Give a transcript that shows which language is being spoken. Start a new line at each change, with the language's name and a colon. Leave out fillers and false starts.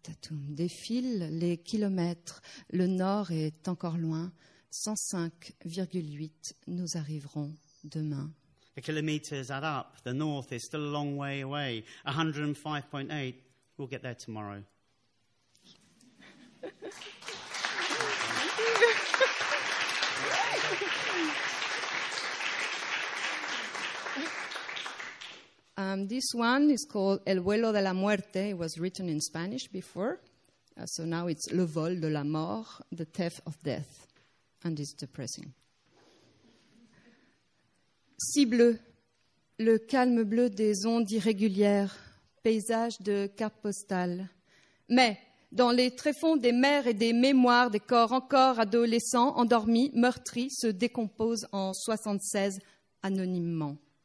French: Défile les kilomètres, le nord est encore loin, 105,8, nous arriverons demain.
English: The kilometers add up, the north is still a long way away, 105.8, we'll get there tomorrow. This one is called El Vuelo de la Muerte. It was written in Spanish before. So now it's Le Vol de la Mort, the theft of death. And it's depressing.
French: Si bleu, le calme bleu des ondes irrégulières, paysage de carte postale. Mais dans les tréfonds des mers et des mémoires, des corps encore adolescents, endormis, meurtris, se décomposent en 76 anonymement.